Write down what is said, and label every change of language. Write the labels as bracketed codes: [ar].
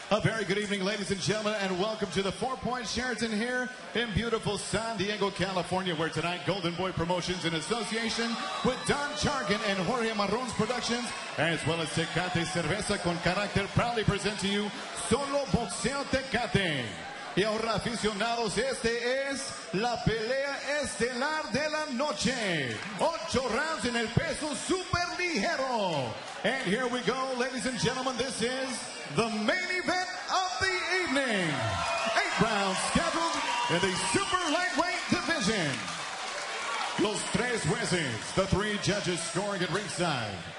[en] A very good evening, ladies and gentlemen, and welcome to the Four Point Sheraton here in beautiful San Diego, California, where tonight Golden Boy Promotions, in association with Don Chargin and Jorge Marrons Productions, as well as Tecate Cerveza con Carácter, proudly present to you Solo Boxeo Tecate. [es] Y ahora, aficionados, este es la pelea estelar de la noche. 8 rounds en el peso super ligero. [en] And here we go, ladies and gentlemen, this is the main event of the evening. 8 rounds scheduled in the super lightweight division. [es] Los tres jueces, [en] the three judges scoring at ringside.